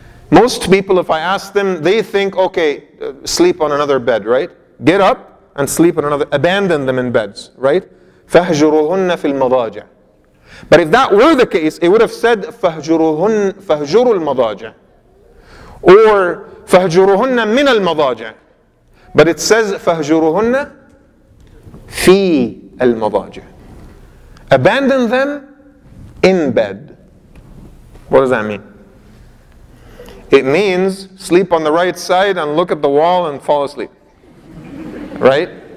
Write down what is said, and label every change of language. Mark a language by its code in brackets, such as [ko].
[en] Most people, if I ask them, they think, okay, sleep on another bed, right? Get up and sleep on another, abandon them in beds, right? [ar] فَهْجُرُهُنَّ فِي الْمَضَاجِعِ. [en] But if that were the case, it would have said, [ar] فَهْجُرُهُنَّ الْمَضَاجِعِ. Or, فَهْجُرُهُنَّ مِنَ الْمَضَاجِعِ. [en] But it says, [ar] فَهْجُرُهُنَّ فِي الْمَضَاجِعِ. [en] Abandon them in bed. What does that mean? It means sleep on the right side and look at the wall and fall asleep. Right?